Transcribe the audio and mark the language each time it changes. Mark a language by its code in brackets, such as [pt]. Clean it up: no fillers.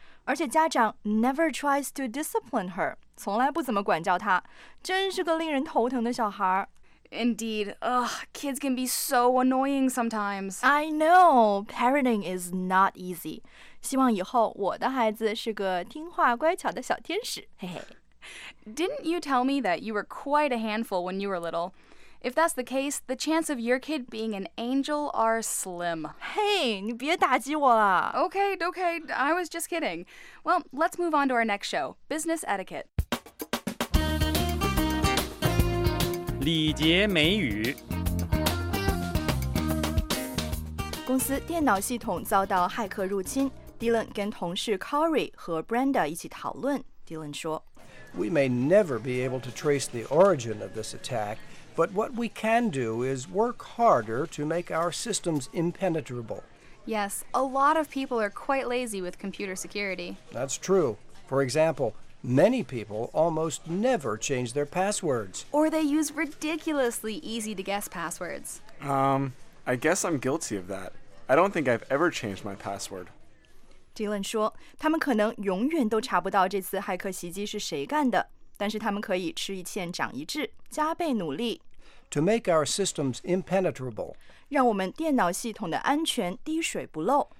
[zh] 而且家长 [en] never tries to discipline her, [zh] 从来不怎么管教她。真是个令人头疼的小孩。 [en] Indeed. Ugh, kids can be so annoying sometimes. I know. Parenting is not easy. [zh] 希望以后我的孩子是个听话乖巧的小天使。嘿嘿。 [en] Didn't you tell me that you were quite a handful when you were little? If that's the case, the chance of your kid being an angel are slim. [zh] Hey, 你别打击我了。 [en] Okay, okay, I was just kidding. Well, let's move on to our next show, Business Etiquette. [zh] 礼节美语。公司电脑系统遭到骇客入侵， Dylan 跟同事 Corey 和 Brenda 一起讨论。Dylan 说， [en] We may never be able to trace the origin of this attack, but what we can do is work harder to make our systems impenetrable. Yes, a lot of people are quite lazy with computer security. That's true. For example,Many people almost never change their passwords. Or they use ridiculously easy-to-guess passwords. I guess I'm guilty of that. I don't think I've ever changed my password. [zh] Dylan 说，他们可能永远都查不到这次骇客袭击是谁干的，但是他们可以吃一堑长一智，加倍努力。 [en] To make our systems impenetrable. [zh] 让我们电脑系统的安全滴水不漏。